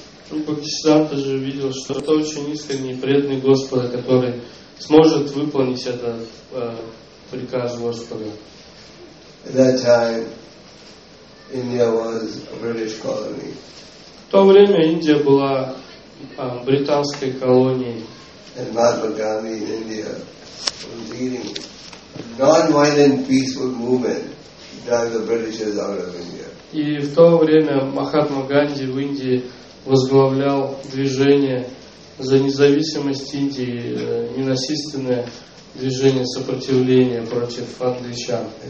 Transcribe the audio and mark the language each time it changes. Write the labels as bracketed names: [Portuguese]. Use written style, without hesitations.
[Russian] Бхактисиддханта же видел, что это очень искренний преданный Господа, который сможет выполнить этот приказ Господа. [English] At that time, India was a British colony. [Russian] В то время Индия была британской колонией. [English] And Mahatma Gandhi in India was leading a non-violent peaceful movement to drive the Britishers out of India. [Russian] И в то время Махатма Ганди в Индии возглавлял движение за независимость Индии, ненасильственное движение сопротивления против англичан.